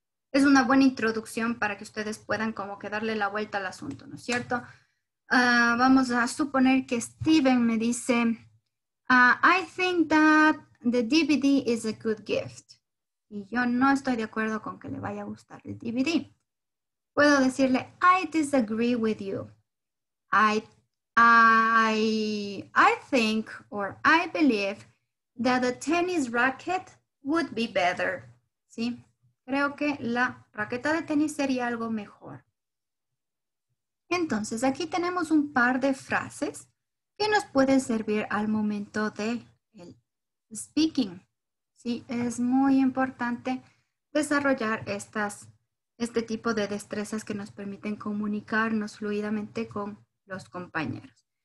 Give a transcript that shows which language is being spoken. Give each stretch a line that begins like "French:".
Spanish: Es una buena introducción para que ustedes puedan como que darle la vuelta al asunto, ¿no es cierto? Vamos a suponer que Steven me dice,
English: I think that the DVD is a good gift.
Spanish: Y yo no estoy de acuerdo con que le vaya a gustar el DVD. Puedo decirle,
English: I disagree with you. I think or I believe that a tennis racket would be better, ¿sí?
Spanish: Creo que la raqueta de tenis sería algo mejor. Entonces, aquí tenemos un par de frases que nos pueden servir al momento del speaking. Sí, es muy importante desarrollar este tipo de destrezas que nos permiten comunicarnos fluidamente con los compañeros.